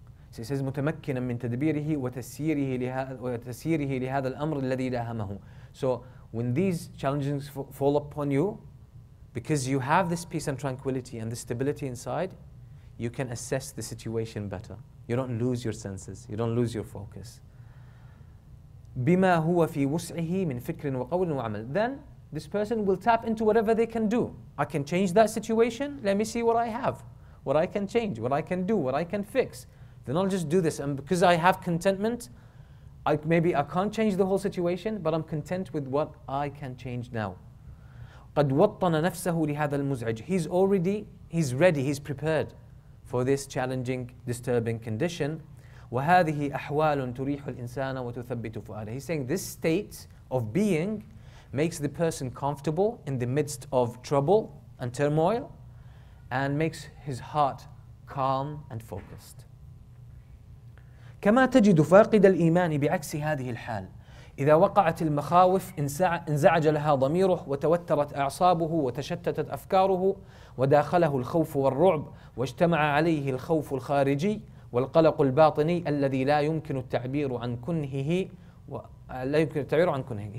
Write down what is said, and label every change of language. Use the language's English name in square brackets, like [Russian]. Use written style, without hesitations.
[English] So it says, [Arabic] مُتَمَكِّنًا مِنْ تَدْبِيرِهِ وَتَسِيرِهِ لِهَذَا الْأَمْرِ الَّذِي لَهَمَهُ. [English] So when these challenges fall upon you, because you have this peace and tranquility and the stability inside, you can assess the situation better. You don't lose your senses. You don't lose your focus. [Arabic] بِمَا هُوَ فِي وُسْعِهِ مِنْ فِكْرٍ وَقَوْلٍ وَعَمَلٍ. [English] Then this person will tap into whatever they can do. I can change that situation. Let me see what I have, what I can change, what I can do, what I can fix. Then I'll just do this, and because I have contentment, I can't change the whole situation, but I'm content with what I can change now. [Arabic] قَدْ وَطَّنَ نَفْسَهُ لِهَذَا الْمُزْعِجِ. [English] He's ready, he's prepared for this challenging, disturbing condition. [Arabic] وَهَذِهِ أَحْوَالٌ تُرِيحُ الْإِنسَانَ وَتُثَبِّتُ فُؤَادَهُ. [English] He's saying this state of being makes the person comfortable in the midst of trouble and turmoil, and makes his heart calm and focused. [Arabic] كما تجد فاقد الإيمان بعكس هذه الحال إذا وقعت المخاوف انزعج لها ضميره وتوترت أعصابه وتشتتت أفكاره وداخله الخوف والرعب واجتمع عليه الخوف الخارجي والقلق الباطني الذي لا يمكن التعبير عن كنهه لا يمكن التعبير عن كنهه.